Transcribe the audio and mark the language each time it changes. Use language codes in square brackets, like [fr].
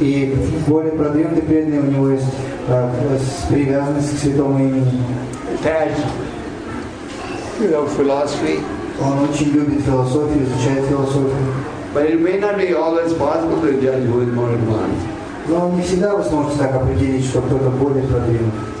[ru] И более продвинутый преданный, у него есть привязанность к святому имени. [en] Attached to philosophy. [ru] Он очень любит философию, изучает философию. [en] But it may not be always possible to judge who is more advanced. [ru] Но не всегда вы сможете так определить, что кто-то более продвинут.